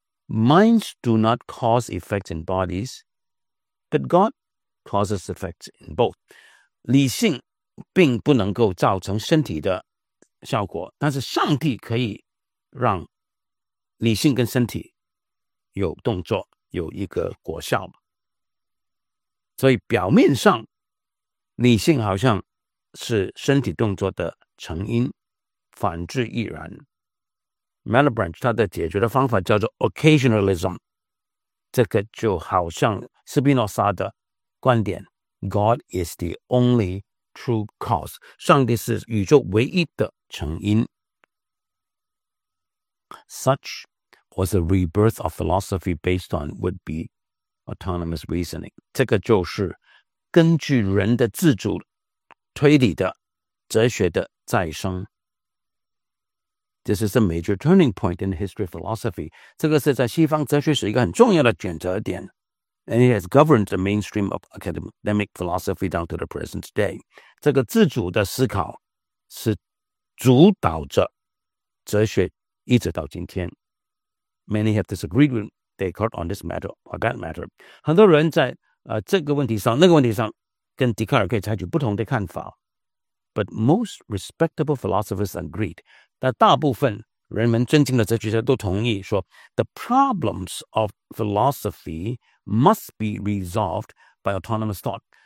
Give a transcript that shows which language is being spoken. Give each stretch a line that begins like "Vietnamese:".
English: Minds do not cause effects in bodies, but God causes effects in both.
Chinese: 理性并不能够造成身体的效果，但是上帝可以让理性跟身体有动作，有一个果效。所以表面上理性好像是身体动作的成因，反之亦然。 Malebranche 他的解决的方法叫做 occasionalism， 这个就好像斯宾诺莎的观点，
English: God is the only true cause，
Chinese: 上帝是宇宙唯一的成因。
English: Suchwas a rebirth of philosophy based on would-be autonomous reasoning.
Chinese: 这个就是根据人的自主推理的哲学的再生。
English: This is a major turning point in the history of philosophy.
Chinese: 这个是在西方哲学史一个很重要的转折点。
English: And it has governed the mainstream of academic philosophy down to the present day.
Chinese: 这个自主的思考是主导着哲学一直到今天。
English: Many have disagreed with Descartes on this matter or that matter.
Chinese: 很多人在这个问题上、那个问题上跟笛卡尔可以采取不同的看法。
English: But most respectable philosophers agreed.
Chinese: 但大部分人们尊敬的哲学家都同意说
English: The problems of philosophy must be resolved by autonomous thought.